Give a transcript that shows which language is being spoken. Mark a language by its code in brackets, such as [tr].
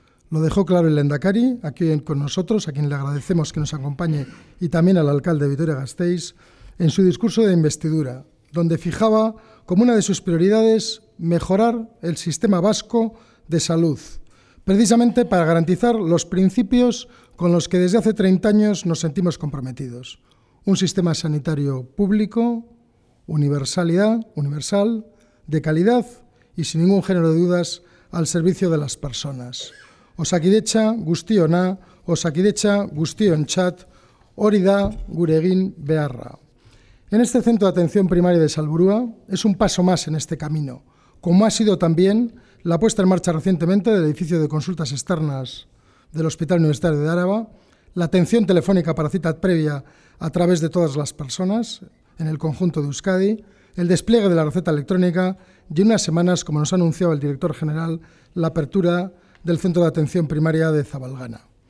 [es] Lo dejó claro el Lehendakari, aquí con nosotros, a quien le agradecemos que nos acompañe, y también al alcalde de Vitoria-Gasteiz, en su discurso de investidura, donde fijaba como una de sus prioridades mejorar el sistema vasco de salud, precisamente para garantizar los principios con los que desde hace 30 años nos sentimos comprometidos. Un sistema sanitario público, universal, de calidad y sin ningún género de dudas al servicio de las personas. [eu] Osakidetza guztiona, Osakidetza guztiontzat, hori da gure egin beharra. [es] En este centro de atención primaria de Salburua es un paso más en este camino, como ha sido también la puesta en marcha recientemente del edificio de consultas externas del Hospital Universitario de Araba, la atención telefónica para cita previa a través de todas las personas en el conjunto de Euskadi, el despliegue de la receta electrónica y en unas semanas, como nos ha anunciado el director general, la apertura del centro de atención primaria de Zabalgana.